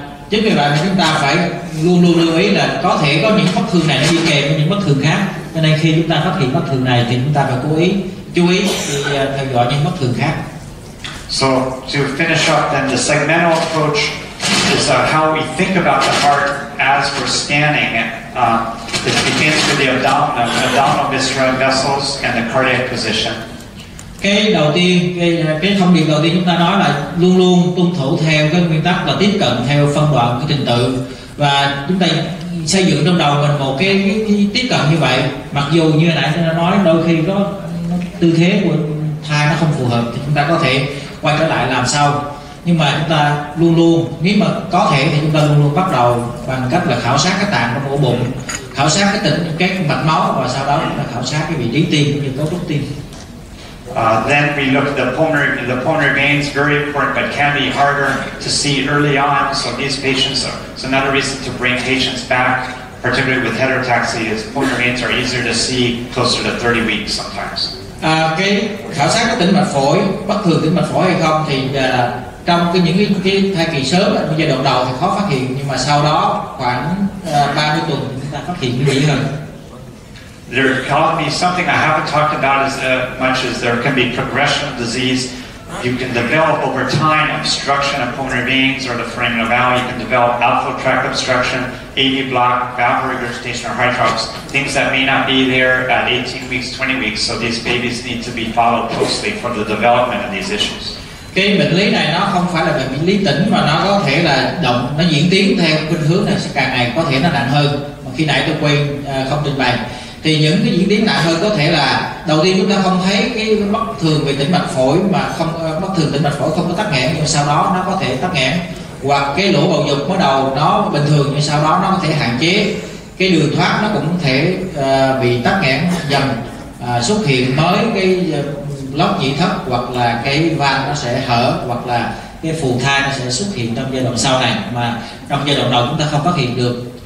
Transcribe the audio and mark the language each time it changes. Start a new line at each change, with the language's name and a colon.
Vietnamese: Chính vì vậy mà chúng ta phải luôn luôn lưu ý là có thể có những bất thường này nó đi kèm với những bất thường khác. Cho nên khi chúng ta phát hiện bất thường này thì chúng ta phải chú ý thì theo dõi những bất thường khác.
English: So to finish up then, the segmental approach is how we think about the heart as we're scanning it. It begins with the abdominal visceral vessels and the cardiac position.
Vietnamese: Cái đầu tiên, cái thông điệp đầu tiên chúng ta nói là luôn luôn tuân thủ theo cái nguyên tắc là tiếp cận theo phân đoạn cái trình tự, và chúng ta xây dựng trong đầu mình một cái tiếp cận như vậy, mặc dù như nãy tôi đã nói đôi khi có tư thế của thai nó không phù hợp thì chúng ta có thể quay trở lại làm sau, nhưng mà chúng ta luôn luôn, nếu mà có thể thì chúng ta luôn luôn bắt đầu bằng cách là khảo sát cái tạng trong ổ bụng, khảo sát cái tĩnh cái mạch máu, và sau đó là khảo sát cái vị trí tim cũng như cấu trúc tim.
English: Then we look at the pulmonary veins, very important, but can be harder to see early on. So these patients are, so another reason to bring patients back, particularly with heterotaxia, is pulmonary veins are easier to see closer to 30 weeks sometimes.
Vietnamese: Cái khảo sát cái tĩnh mạch phổi, bất thường tĩnh mạch phổi hay không thì trong cái những cái thai kỳ sớm, cái giai đoạn đầu thì khó phát hiện, nhưng mà sau đó khoảng 30 tuần chúng ta phát hiện dễ hơn.
English: There can be something I haven't talked about as much as there can be progression of disease. You can develop over time obstruction of pulmonary veins or the foraminal valley. You can develop outflow tract obstruction, AV block, valve regurgitation, or hydrox, things that may not be there at 18 weeks, 20 weeks. So these babies need to be followed closely for the development of these issues.
Vietnamese: Cái bệnh lý này nó không phải là bệnh lý tĩnh, mà nó có thể là động, nó diễn tiến theo khuynh hướng này sẽ càng ngày có thể nó nặng hơn. Mà khi nãy tôi quên không trình bày. Thì những cái diễn biến nặng hơn có thể là đầu tiên chúng ta không thấy cái bất thường về tĩnh mạch phổi, mà không bất thường tĩnh mạch phổi không có tắc nghẽn, nhưng sau đó nó có thể tắc nghẽn, hoặc cái lỗ bầu dục bắt đầu nó bình thường nhưng sau đó nó có thể hạn chế, cái đường thoát nó cũng có thể bị tắc nghẽn dần, xuất hiện mới cái lót nhĩ thấp, hoặc là cái van nó sẽ hở, hoặc là cái phù thai nó sẽ xuất hiện trong giai đoạn sau này mà trong giai đoạn đầu chúng ta không phát hiện được.